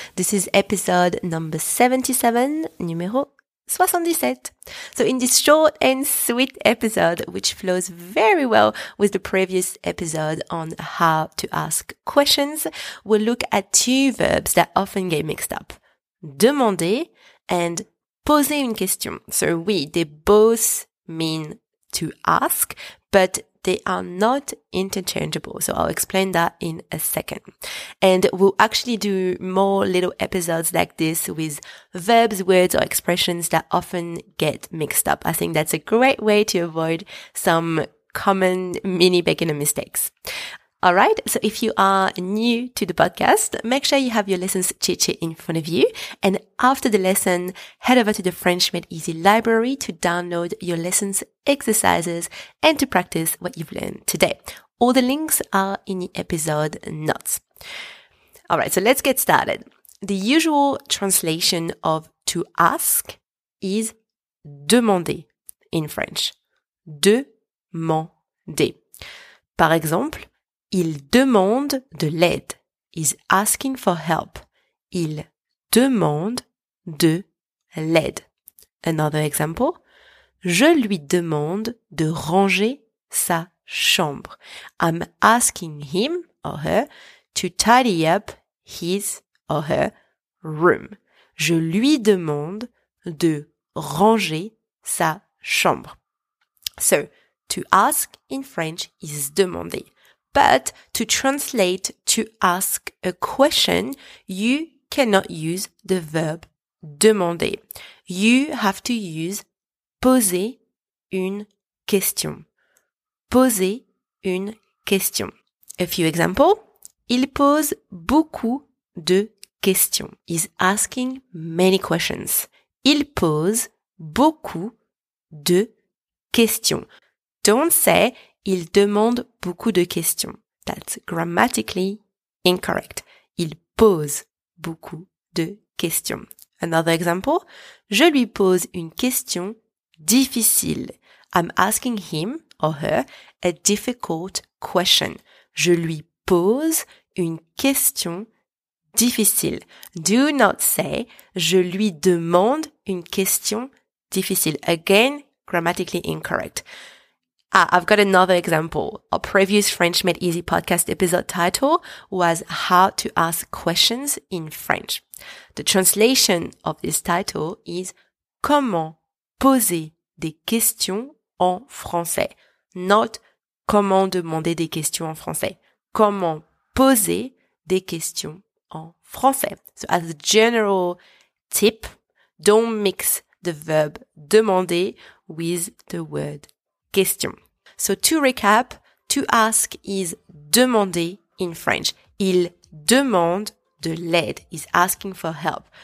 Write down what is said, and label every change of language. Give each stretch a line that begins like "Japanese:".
English: This is episode number 77,
French: numéro 77.
English: So in this short and sweet episode, which flows very well with the previous episode on how to ask questions, we'll look at two verbs that often get mixed up.
French: Demander and poser une question.
English: So oui, they both mean to ask, but they are not interchangeable, so I'll explain that in a second. And we'll actually do more little episodes like this with verbs, words, or expressions that often get mixed up. I think that's a great way to avoid some common mini beginner mistakes. All right, so if you are new to the podcast, make sure you have your lessons cheat sheet in front of you. And after the lesson, head over to the French Made Easy library to download your lessons, exercises, and to practice what you've learned today. All the links are in the episode notes. All right, so let's get started. The usual translation of to ask is demander in French.
French: Demander. Par exemple, il demande de l'aide.
English: He's asking for help.
French: Il demande de l'aide.
English: Another example.
French: Je lui demande de ranger sa chambre.
English: I'm asking him or her to tidy up his or her room.
French: Je lui demande de ranger sa chambre.
English: So, to ask in French is demander. But to translate to ask a question, you cannot use the verb demander. You have to use poser une question.
French: Poser une question.
English: A few examples.
French: Il pose beaucoup de questions.
English: He's asking many questions.
French: Il pose beaucoup de questions.
English: Don't say
French: il demande beaucoup de questions.
English: That's grammatically incorrect.
French: Il pose beaucoup de questions.
English: Another example.
French: Je lui pose une question difficile.
English: I'm asking him or her a difficult question.
French: Je lui pose une question difficile.
English: Do not say
French: je lui demande une question difficile.
English: Again, grammatically incorrect. Ah, I've got another example. Our previous French Made Easy podcast episode title was How to Ask Questions in French. The translation of this title is
French: Comment poser des questions en français? Not Comment demander des questions en français. Comment poser des questions en français?
English: So as a general tip, don't mix the verb demander with the word question. So to recap, to ask is demander in French.
French: Il demande de l'aide,
English: is asking for help.